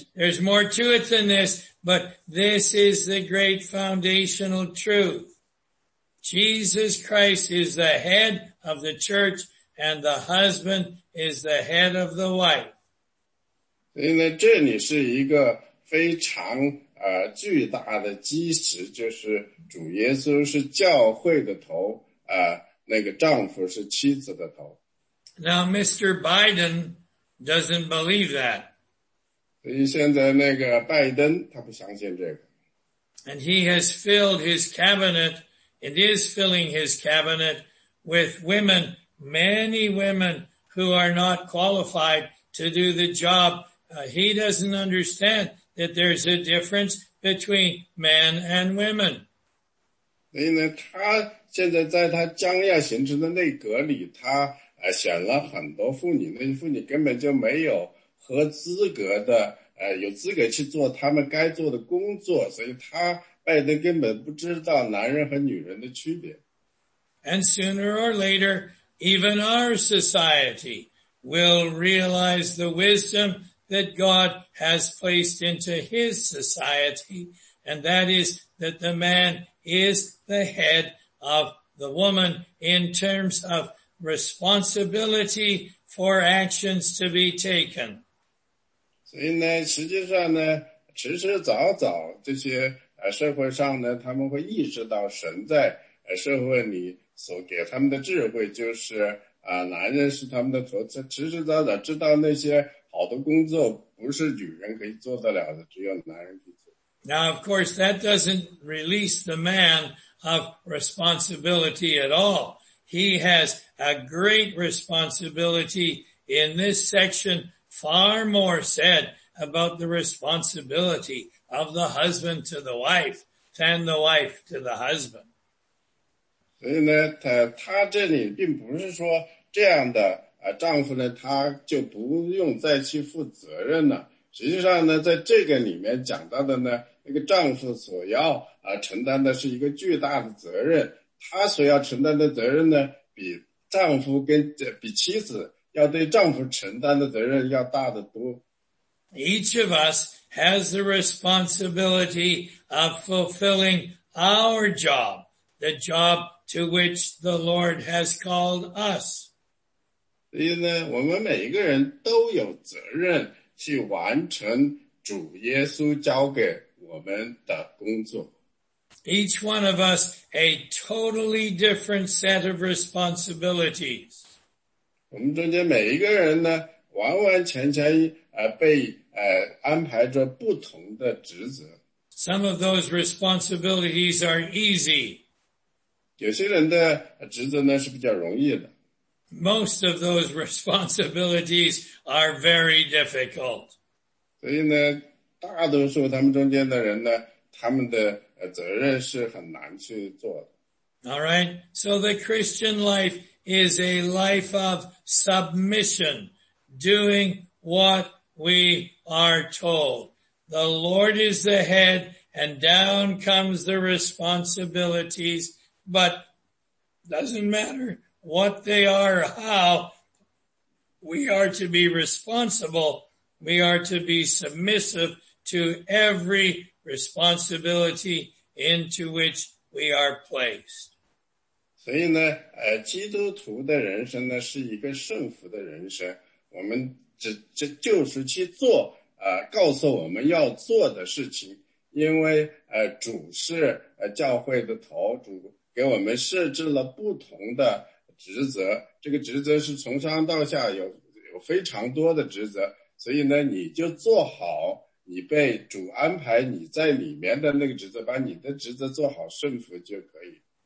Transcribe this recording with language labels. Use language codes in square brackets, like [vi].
[en] there's more to it than this, but this is the great foundational truth. Jesus Christ is the head of the church, and the husband is the head of the wife. [zh] 所以呢，这里是一个非常巨大的基石，就是主耶稣是教会的头，那个丈夫是妻子的头。 [en] Now, Mr. Biden doesn't believe that. [zh] 所以现在那个拜登他不相信这个。 [en] And he has filled his cabinet, it is filling his cabinet with women, many women who are not qualified to do the job. He doesn't understand that there's a difference between men and women. [zh] 所以呢，他现在在他将要形成的内阁里，他选了很多妇女，那些妇女根本就没有合资格的，有资格去做他们该做的工作，所以他拜登根本不知道男人和女人的区别。 [en] And sooner or later, even our society will realize the wisdom that God has placed into his society, and that is that the man is the head of the woman in terms of responsibility for actions to be taken. [zh] 所以呢，实际上呢，迟迟早早，这些社会上呢，他们会意识到神在社会里所给他们的智慧，就是男人是他们的头，迟迟早早知道那些好的工作不是女人可以做得了的，只有男人可以做。 [en] Now, of course, that doesn't release the man of responsibility at all. He has a great responsibility in this section, far more said about the responsibility of the husband to the wife than the wife to the husband. [zh] 所以呢，他这里并不是说这样的丈夫呢，他就不用再去负责任了。实际上呢，在这个里面讲到的呢，那个丈夫所要承担的是一个巨大的责任。他所要承担的责任呢，比丈夫跟比妻子要对丈夫承担的责任要大得多。 [en] Each of us has the responsibility of fulfilling our job, the job to which the Lord has called us. [zh] 所以呢，我们每一个人都有责任去完成主耶稣交给我们的工作。 [en] Each one of us a totally different set of responsibilities. [zh] 我们中间每一个人呢，完完全全被安排着不同的职责。 [en] Some of those responsibilities are easy. [zh] 有些人的职责呢是比较容易的。 [en] Most of those responsibilities are very difficult. [zh] 所以呢，大多数他们中间的人呢，他们的责任是很难去做的。 [en] All right. So the Christian life is a life of submission, doing what we are told. The Lord is the head, and down comes the responsibilities, but doesn't matter what they are, how we are to be responsible. We are to be submissive to every responsibility into which we are placed. [zh] 所以呢，基督徒的人生呢是一个圣福的人生。我们这就是去做告诉我们要做的事情，因为主是教会的头，主给我们设置了不同的职责，这个职责是从上到下有非常多的职责，所以呢，你就做好你被主安排你在里面的那个职责，把你的职责做好，顺服就可以。